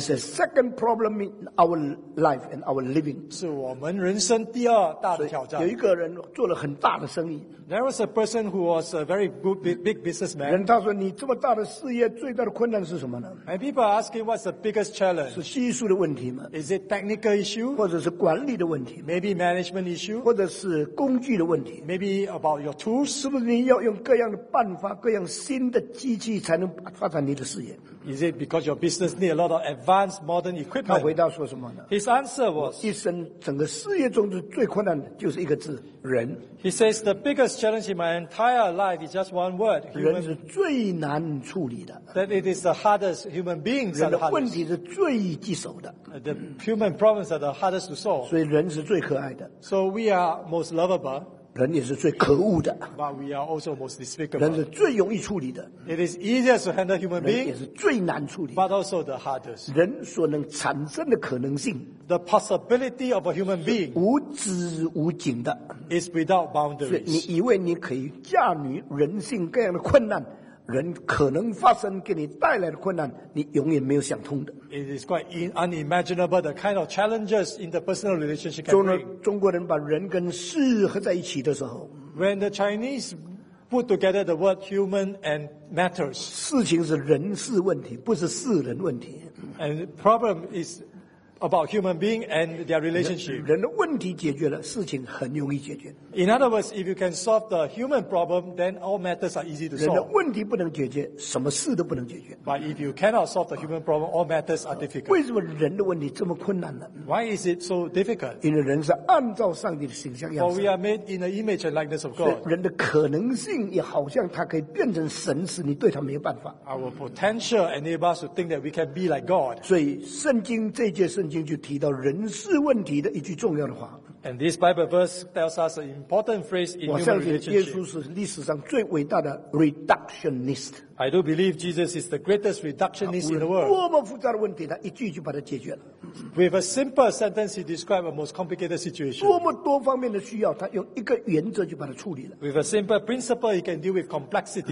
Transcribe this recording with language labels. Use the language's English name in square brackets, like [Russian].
[English] Is the second problem in our life and our living. [Chinese] 是我们人生第二大的挑战。有一个人做了很大的生意。 [English] There was a person who was a very good big businessman. [Chinese] 人他说你这么大的事业最大的困难是什么呢？ [English] And people are asking what's the biggest challenge? [Chinese] 是技术的问题吗？ [English] Is it technical issue? [Chinese] 或者是管理的问题？ [English] Maybe management issue? [Chinese] 或者是工具的问题？ [English] Maybe about your tools? [Chinese] 是不是你要用各样的办法，各样新的机器才能发展你的事业？ [English] Is it because your business need a lot of advanced modern equipment? [Chinese] 他回答说什么呢？ [English] His answer was, [Chinese] 一生整个事业中的最困难的就是一个字，人。 [English] He says the biggest challenge in my entire life is just one word. Human. [Chinese] 人是最难处理的。 [English] That it is the hardest. Human beings are the hardest. [Chinese] 人的问题是最棘手的。 [English] The human problems are the hardest to solve. [Chinese] 所以人是最可爱的。 [English] So we are most lovable. [Chinese] 人也是最可恶的。 [English] But we are also most despicable. [Chinese] 人是最容易处理的。 [English] It is easiest to handle human beings. [Chinese] 人也是最难处理。 [English] But also the hardest. [Chinese] 人所能产生的可能性。 [English] The possibility of a human being [Chinese] 无止无尽的 [English] is without boundaries. [Chinese] 所以你以为你可以驾驭人性各样的困难，人可能发生给你带来的困难，你永远没有想通的。 [English] It is quite unimaginable the kind of challenges in the personal relationship can bring. [Chinese] 中国人把人跟事合在一起的时候 [English] ，When the Chinese put together the word human and matters, [Chinese] 事情是人事问题，不是事人问题。 [English] And problem is about human being and their relationship. [Chinese] 人的问题解决了，事情很容易解决。 [English] In other words, if you can solve the human problem, then all matters are easy to solve. [Chinese] 人的问题不能解决，什么事都不能解决。 [English] But if you cannot solve the human problem, all matters are difficult. [Chinese] 为什么人的问题这么困难呢？ [English] Why is it so difficult? [Chinese] 因为人是按照上帝的形象样式。 [English] For we are made in the image and likeness of God. [Chinese] 人的可能性也好像他可以变成神，使你对他没有办法。 [English] Our potential enables us to think that we can be like God. [Chinese] 所以圣经这节圣经就提到人事问题的一句重要的话。 [English] And this Bible verse tells us an important phrase in human relationship. [Chinese] 我相信耶稣是历史上最伟大的 reductionist. [English] I do believe Jesus is the greatest reductionist in the world. [Chinese] 多么复杂的问题，他一句就把它解决了。 [English] With a simple sentence, he described a most complicated situation. [Chinese] 多么多方面的需要，他用一个原则就把它处理了。 [English] With a simple principle, he can deal with complexity.